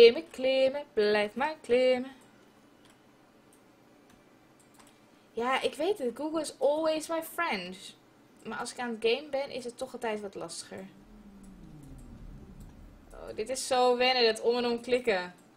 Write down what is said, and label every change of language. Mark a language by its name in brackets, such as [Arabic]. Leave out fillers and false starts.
[Dutch] Klimmen, blijf maar klimmen. Ja, ik weet het. [English] Google is always my friend. [Dutch] Maar als ik aan het game ben, is het toch altijd wat lastiger. Oh, dit is zo wennen, dat om en om klikken.